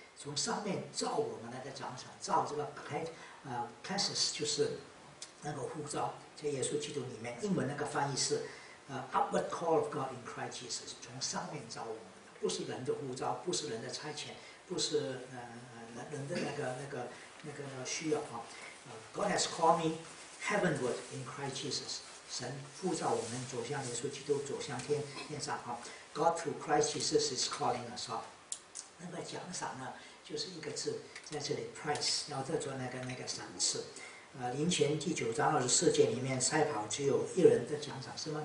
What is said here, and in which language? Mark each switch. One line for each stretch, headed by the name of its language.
Chinese: 从上面照我们来的奖赏，照这个开始就是那个呼召，在耶稣基督里面，英文那个翻译是
English: upward call of God in Christ Jesus，
Chinese: 从上面照我们，不是人的呼召，不是人的差遣，不是人的那个需要啊。
English: God has called me heavenward in Christ Jesus。
Chinese: 神呼召我们走向耶稣基督，走向天上啊。
English: God through Christ Jesus is calling us up。
Chinese: 那个奖赏呢，就是一个字，在这里 price， 要叫做那个赏赐。林前第九章24节里面，赛跑只有一人的奖赏，是吗？